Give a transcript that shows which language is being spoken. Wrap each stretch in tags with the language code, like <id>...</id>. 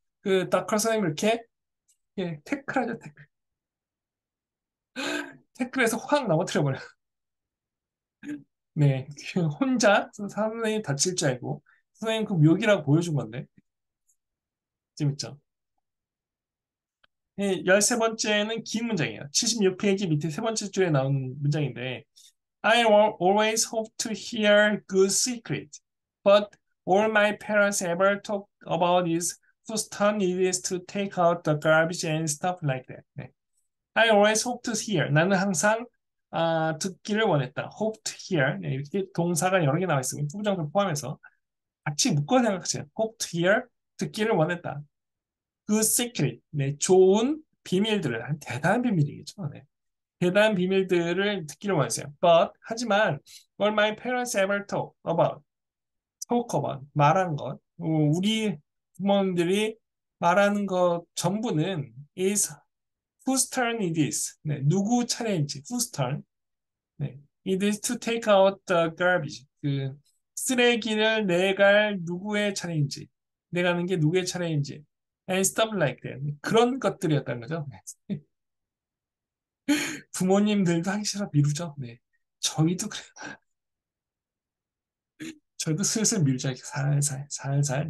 <ko>그 다크 선생님 이렇게 예, 태클하죠. 태클에서 확 넘어뜨려버려요. 네, 혼자 선생님 다칠 줄 알고 선생님 그 욕이라고 보여준 건데 재밌죠? 13번째는 긴 문장이에요. 76페이지 밑에 세 번째 줄에 나오는 문장인데,</ko> <en>I always hope to hear good secret, but all my parents ever talk about is whose turn it is to take out the garbage and stuff like that. 네. I always hope to hear.</en> <ko>나는 항상 듣기를 원했다.</ko> <en>Hope to hear.</en> <ko>네, 이렇게 동사가 여러 개 나와 있습니다. 부정사를 포함해서 같이 묶어 생각하세요.</ko> <en>Hope to hear.</en> <ko>듣기를 원했다.</ko> <en>Good secret.</en> <ko>네, 좋은 비밀들을. 대단한 비밀이겠죠. 네. 대단한 비밀들을 듣기를 원했어요.</ko> <en>But,</en> <ko>하지만,</ko> <en>all my parents ever talk about,</en> <ko>말한 것. 우리 부모님들이 말하는 것 전부는</ko> <en>is whose turn it is.</en> <ko>네, 누구 차례인지.</ko> <en>Whose turn? 네, it is to take out the garbage.</en> <ko>그 쓰레기를 내갈 누구의 차례인지. 내가는 게 누구의 차례인지.</ko> <en>And stuff like that.</en> <ko>그런 것들이었다는 거죠. 부모님들도 하기 싫어 미루죠. 네, 저희도 저희도 슬슬 미루죠. 살살.</ko>